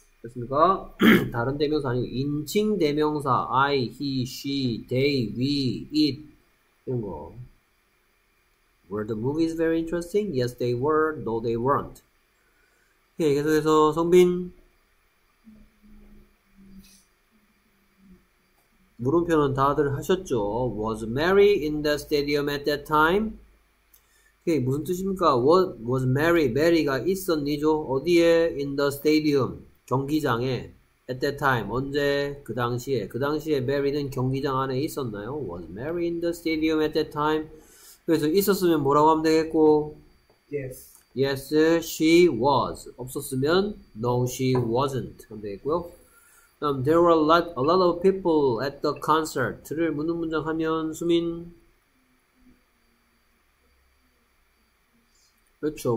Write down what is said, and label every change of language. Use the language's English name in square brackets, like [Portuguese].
[Korean] 됐습니까? 다른 대명사 아니고 인칭 대명사 [English] I, he, she, they, we, it [Korean] 이런 거. [English] Were the movies very interesting? Yes they were. No they weren't. [Korean] 예, 계속해서 성빈 물음표는 다들 하셨죠? [English] Was Mary in the stadium at that time? [Korean] 그게 무슨 뜻입니까? [English] Was Mary, [Korean] Mary가 있었니죠? 어디에? [English] In the stadium, [Korean] 경기장에. [English] At that time, [Korean] 언제? 그 당시에. 그 당시에 Mary는 경기장 안에 있었나요? [English] Was Mary in the stadium at that time? [Korean] 그래서 있었으면 뭐라고 하면 되겠고? [English] Yes. Yes, she was. [Korean] 없었으면? [English] No, she wasn't. [Korean] 하면 되겠고요. [English] There were a lot of people at the concert를 [Korean] 묻는 문장 하면 수민 그렇죠.